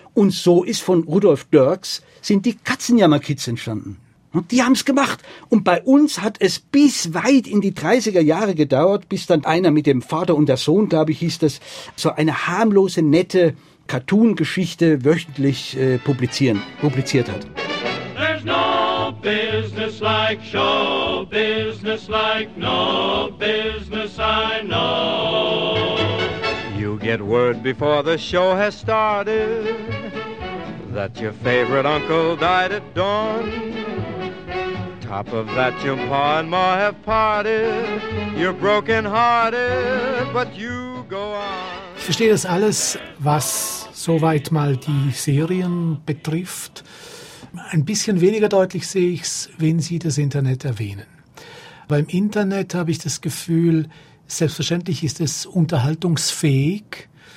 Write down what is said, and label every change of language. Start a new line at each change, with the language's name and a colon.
German: Und so ist von Rudolf Dirks sind die Katzenjammerkids entstanden. Und die haben's gemacht. Und bei uns hat es bis weit in die 30er Jahre gedauert, bis dann einer mit dem Vater und der Sohn, glaube ich, hieß das, so eine harmlose, nette Cartoon-Geschichte wöchentlich publiziert hat.
English: Business like show business like no business I know. You get word before the show has started that your favorite uncle died at dawn. Top of that, your pa and ma have parted. You're broken hearted, but you go on.
German: Ich verstehe das alles, was soweit mal die Serien betrifft. Ein bisschen weniger deutlich sehe ich es, wenn Sie das Internet erwähnen. Beim Internet habe ich das Gefühl, selbstverständlich ist es unterhaltungsfähig.